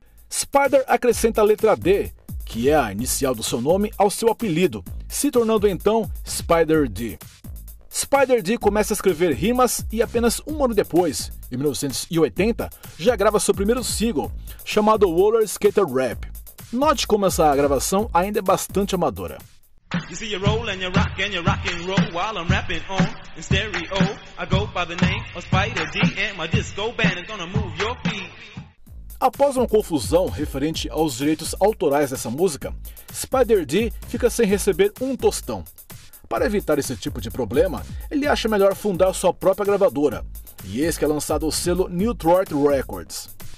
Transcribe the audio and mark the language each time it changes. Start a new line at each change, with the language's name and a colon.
Portuguese: Spider acrescenta a letra D, que é a inicial do seu nome, ao seu apelido, se tornando então Spider-D. Spider-D começa a escrever rimas e apenas um ano depois, em 1980, já grava seu primeiro single, chamado Roller Skater Rap. Note como essa gravação ainda é bastante amadora.
English: You see, you're rolling, you're rocking, you're rock and roll while I'm rapping on in stereo. I go by the name of Spider-D and my disco band is gonna move your feet.
Portuguese: Após uma confusão referente aos direitos autorais dessa música, Spider-D fica sem receber um tostão. Para evitar esse tipo de problema, ele acha melhor fundar sua própria gravadora, e eis que é lançado o selo New Throat Records.